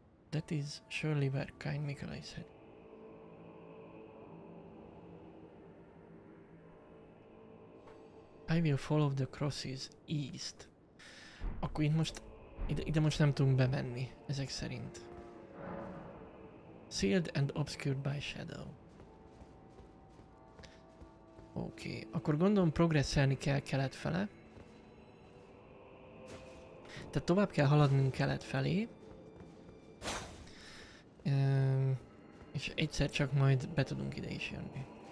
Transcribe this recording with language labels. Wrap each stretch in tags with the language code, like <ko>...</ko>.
<en>That is surely where Kain Mikkel is headed. I will follow the crosses east.</en> <hu>Akkor itt most, ide most nem tudunk bemenni, ezek szerint.</hu> <en>Sealed and obscured by shadow.</en> <hu>Oké, akkor gondolom progresszelni kell kelet fele. Tehát tovább kell haladnunk kelet felé. És egyszer csak majd be tudunk ide is jönni.</hu>